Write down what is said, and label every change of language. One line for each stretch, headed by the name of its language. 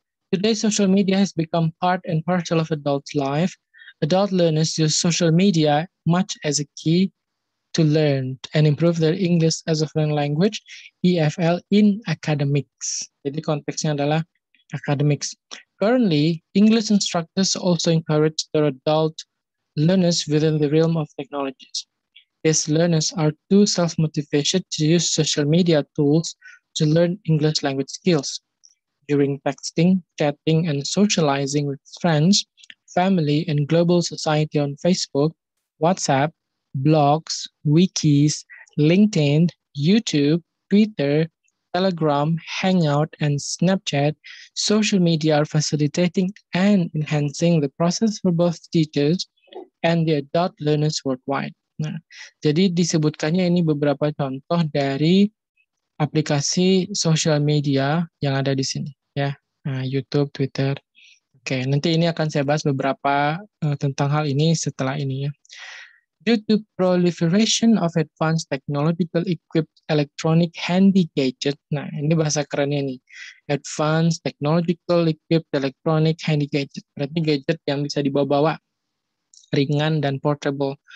English: Today social media has become part and parcel of adult life. Adult learners use social media much as a key to learn and improve their English as a foreign language, EFL, in academics.
Indonesian: Jadi konteksnya adalah academics.
English: Currently, English instructors also encourage their adult learners within the realm of technologies. These learners are too self-motivated to use social media tools to learn English language skills. During texting, chatting, and socializing with friends, family, and global society on Facebook, WhatsApp, blogs, wikis, LinkedIn, YouTube, Twitter, Telegram, Hangout, and Snapchat, social media are facilitating and enhancing the process for both teachers and the adult learners worldwide.
Indonesian: Nah, jadi disebutkannya ini beberapa contoh dari aplikasi social media yang ada di sini, ya, YouTube, Twitter. Oke, nanti ini akan saya bahas beberapa tentang hal ini setelah ini, ya.
English: Due to proliferation of advanced technological equipped electronic handy gadget,
Indonesian: nah ini bahasa kerennya nih,
English: advanced technological equipped electronic handy gadget,
Indonesian: berarti gadget yang bisa dibawa-bawa, ringan dan portable.